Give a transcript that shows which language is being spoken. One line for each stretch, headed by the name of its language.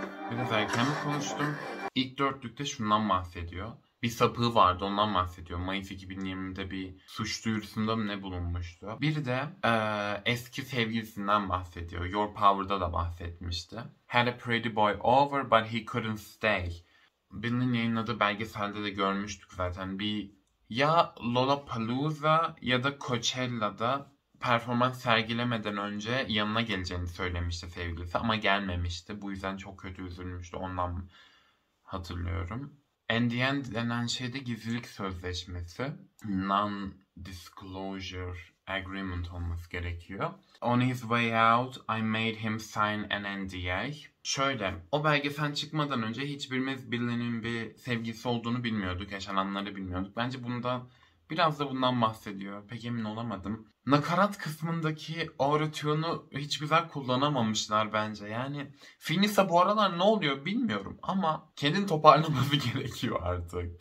Turkish: Biraz erken mi konuştum? İlk dörtlükte şundan bahsediyor. Bir sapığı vardı, ondan bahsediyor. Mayıs 2020'de bir suç duyurusunda mı ne bulunmuştu? Bir de eski sevgilisinden bahsediyor. Your Power'da da bahsetmişti.
English: Had a pretty boy over but he couldn't stay.
Turkish: Billie'nin yayınladığı belgeselde de görmüştük zaten. Bir ya Lollapalooza ya da Coachella'da performans sergilemeden önce yanına geleceğini söylemişti sevgilisi ama gelmemişti. Bu yüzden çok kötü üzülmüştü, ondan hatırlıyorum. NDN denen şey de gizlilik sözleşmesi.
English: Non-disclosure agreement
Turkish: olması gerekiyor.
English: On his way out, I made him sign an NDA.
Turkish: Şöyle, o belgesel çıkmadan önce hiçbirimiz Billie'nin bir sevgilisi olduğunu bilmiyorduk, yaşananları bilmiyorduk. Bence bundan biraz da bundan bahsediyor. Pek emin olamadım. Nakarat kısmındaki auto-tune'u hiç güzel kullanamamışlar bence. Yani Finis'e bu aralar ne oluyor bilmiyorum ama kendin toparlaması gerekiyor artık.